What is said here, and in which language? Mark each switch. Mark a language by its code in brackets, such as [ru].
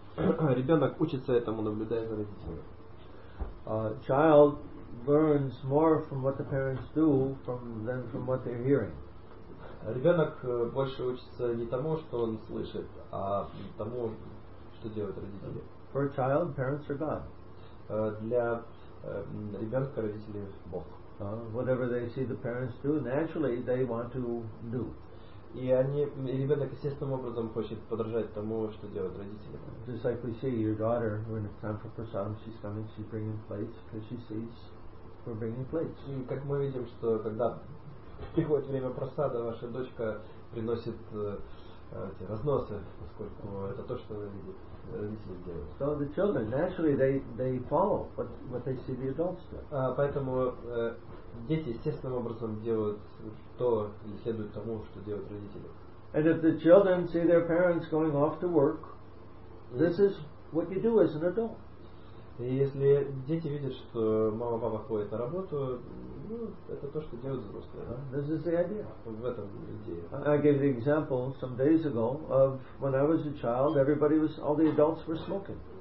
[ru] Ребенок учится этому, наблюдая за родителями. [en] Child learns more from what the parents do than from what they're hearing. [ru] Ребенок больше учится не тому, что он слышит, а тому, что делают родители. [en] For a child, parents are God. [ru] Для ребенка родители Бог. [en] Whatever they see the parents do, naturally they want to do. [ru] И они, и ребенок естественным образом хочет подражать тому, что делают родители. [en] Just like we see your daughter, when it's time for prasadam, she's coming, she's bringing plates, because she sees we're bringing plates. [ru] И как мы видим, что когда приходит время просада, ваша дочка приносит эти разносы, поскольку это то, что родители делают. [en] So the children, naturally, they follow what they see the adults do. [ru] Поэтому дети естественным образом делают то или следуют тому, что делают родители. [en] And if the children see their parents going off to work, this is what you do as an adult. [ru] И если дети видят, что мама папа ходит на работу, ну, это то, что делают взрослые. [en] This is the idea. [ru] В этом идея. [en] I gave the example some days ago of when I was a child, everybody was, all the adults were smoking.